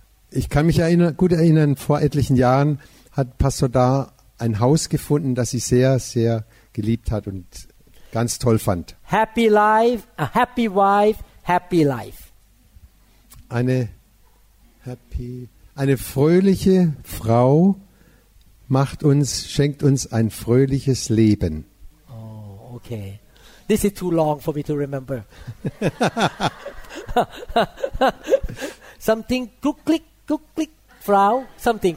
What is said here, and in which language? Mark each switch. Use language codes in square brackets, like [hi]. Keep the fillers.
[de] Ich kann mich erinner- gut erinnern, vor etlichen Jahren hat Pastor da ein Haus gefunden, das sie sehr, sehr geliebt hat und ganz toll fand. [en] Happy life, a happy wife, happy life. [de] Eine, happy, eine fröhliche Frau macht uns, schenkt uns ein fröhliches Leben. [en] Oh, okay. This is too long for me to remember. Something, click, click. Click, click, Frau, something.